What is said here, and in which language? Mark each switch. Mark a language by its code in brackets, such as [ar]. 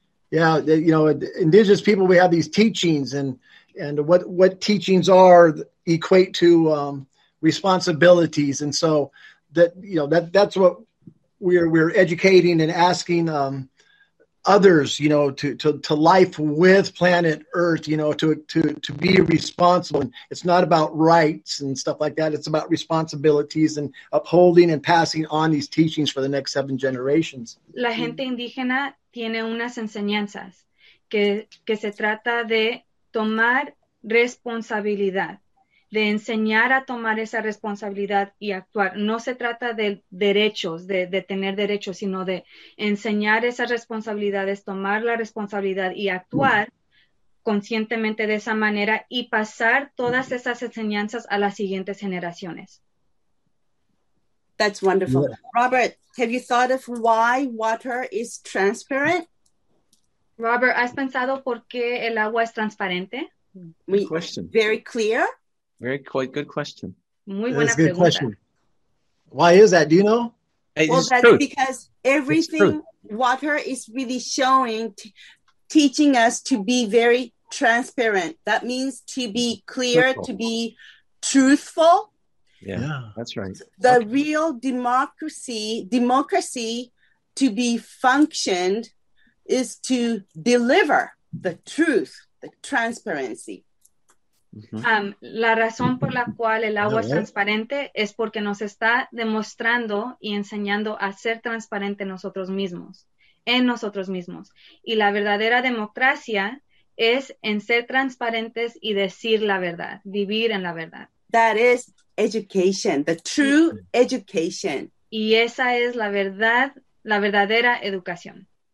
[en] Yeah, you know, indigenous people, we have these teachings and what teachings are equate to responsibilities. And so that, you know, that's what we're educating and asking others, you know, to life with planet Earth, you know, to be responsible. And it's not about rights and stuff like that. It's about responsibilities and upholding and passing on these teachings for the next 7 generations. [es] La gente indígena tiene unas enseñanzas que se trata de tomar responsabilidad, de enseñar a tomar esa responsabilidad y actuar. No se trata de derechos, de tener derechos, sino de enseñar esas responsabilidades, tomar la responsabilidad y actuar conscientemente de esa manera y pasar todas esas enseñanzas a las siguientes generaciones. [en] That's wonderful. Yeah. Robert, have you thought of why water is transparent? [es] Robert, ¿has pensado por qué el agua es transparente? [en] Good question. Very clear? Very good question. [es] Muy buena pregunta. [en] Good question. Why is that? Do you know? Well, that's truth. Because everything water is really showing, teaching us to be very transparent. That means to be clear, truthful. To be truthful. Yeah, that's right. The okay. Real democracy to be functioned is to deliver the truth, the transparency. Mm-hmm. [es] La razón por la cual el agua es transparente es porque nos está demostrando y enseñando a ser transparente nosotros mismos, en nosotros mismos. Y la verdadera democracia es en ser transparentes y decir la verdad, vivir en la verdad. [en] That is education, the true education. [es] Y esa es la verdad, la verdadera educación.